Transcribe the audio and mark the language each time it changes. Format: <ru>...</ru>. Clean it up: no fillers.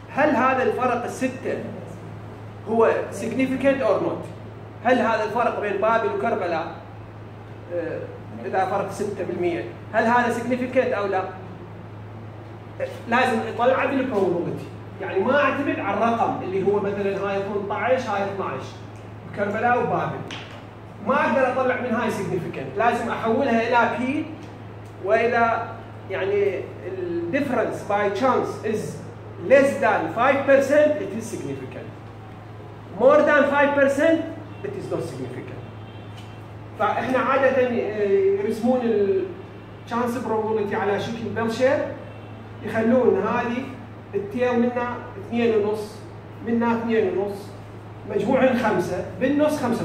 <ar>هل هذا الفرق الستة هو</ar> <en>significant or not؟</en> <ar>هل هذا الفرق بين بابل وكربلاء إذا فرق 6% هل هذا significant أو لا؟ لازم يطلع عدل probability. يعني ما أعتمد على الرقم اللي هو مثلا هاي 18 هاي 12 كربلاء وبابل، ما أقدر أطلع من هاي significant، لازم أحولها إلى P. وإذا يعني ال</ar> <en>difference by chance is less than 5% it is significant. More than 5% it is not significant.</en> <ar>فاحنا عادة يرسمون الـ</ar> <en>chance probability</en> <ar>على شكل</ar> <en>bell shape،</en> <ar>يخلون هذه التيل منها 2.5 منها 2.5 مجموع الخمسة بالنص 95%.</ar>